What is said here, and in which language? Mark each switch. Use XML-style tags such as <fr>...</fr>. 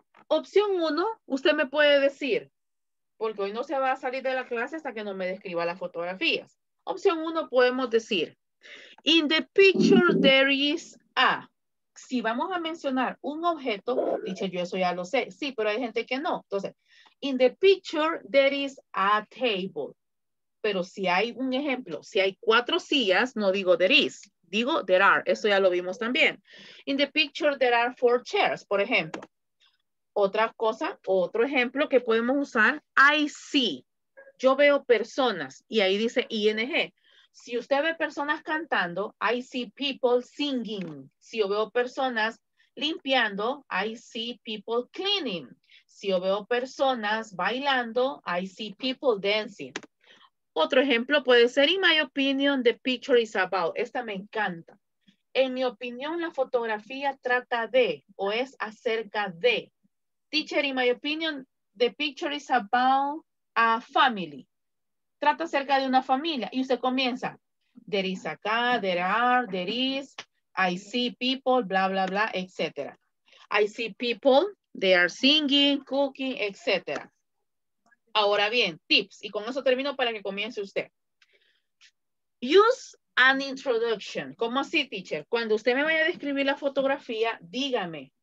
<es>Opción uno, usted me puede decir, porque hoy no se va a salir de la clase hasta que no me describa las fotografías. Opción uno, podemos decir,</es> <en>in the picture there is a.</en> <es>Si vamos a mencionar un objeto, dicho yo eso ya lo sé, sí, pero hay gente que no. Entonces,</es> <en>in the picture there is a table.</en> <es>Pero si hay un ejemplo, si hay 4 sillas, no digo</es> <en>there is,</en> <es>digo</es> <en>there are.</en> <es>Eso ya lo vimos también.</es> <en>In the picture there are 4 chairs,</en> <es>por ejemplo. Otra cosa, otro ejemplo que podemos usar,</es> <en>I see.</en> <es>Yo veo personas y ahí dice ing. Si usted ve personas cantando,</es> <en>I see people singing.</en> <es>Si yo veo personas limpiando,</es> <en>I see people cleaning.</en> <es>Si yo veo personas bailando,</es> <en>I see people dancing.</en> <es>Otro ejemplo puede ser,</es> <en>in my opinion, the picture is about.</en> <es>Esta me encanta. En mi opinión, la fotografía trata de o es acerca de.</es> <en>Teacher, in my opinion, the picture is about a family.</en> <es>Trata acerca de una familia. Y usted comienza.</es> <en>There is</en> <es>acá,</es> <en>there are, there is, I see people, bla, bla, bla, etc. I see people, They are singing, cooking, etc.</en> <es>Ahora bien,</es> <en>tips.</en> <es>Y con eso termino para que comience usted.</es> <en>Use an introduction.</en> <es>¿Cómo así, teacher? Cuando usted me vaya a describir la fotografía, dígame.</es>